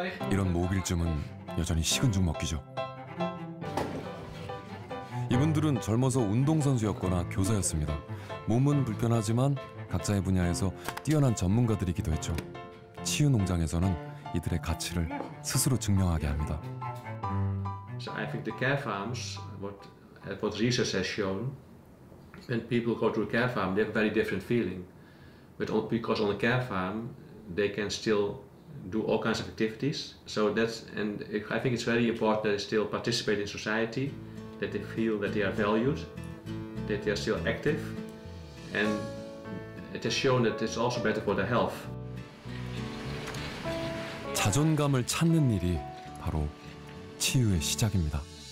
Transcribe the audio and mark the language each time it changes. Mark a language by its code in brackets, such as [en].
[ko] 이런 모빌쯤은 여전히 식은 죽 먹기죠. 이분들은 젊어서 운동선수였거나 교사였습니다. 몸은 불편하지만 각자의 분야에서 뛰어난 전문가들이기도 했죠. 치유 농장에서는 이들의 가치를 스스로 증명하게 합니다. [en] So I think the care farms, what research has shown, when people go to a care farm, they have a very different feeling. But because on the care farm, they can still do all kinds of activities. So that's, and I think it's very important that they still participate in society, that they feel that they are valued, that they are still active. And it has shown that it's also better for their health. [ko] 자존감을 찾는 일이 바로 치유의 시작입니다.